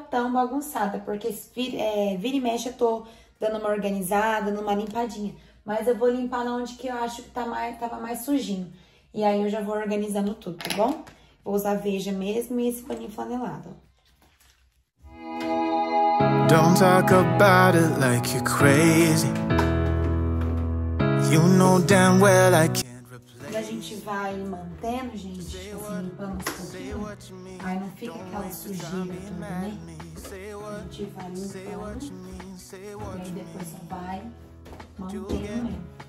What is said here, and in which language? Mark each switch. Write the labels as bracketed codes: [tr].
[pt] bagunçada, porque vira e mexe eu tô dando uma organizada, dando uma limpadinha. Mas eu vou limpar na onde que eu acho que tava mais sujinho. E aí eu já vou organizando tudo, tá bom? Vou usar aveja mesmo e esse paninho flanelado. [en] Don't talk about it like you're crazy. You know damn well I can't replace. [pt] E a gente vai mantendo, gente, assim, aí não fica aquela sujeira tudo, né? A gente vai limpando. E aí depois vai mantendo.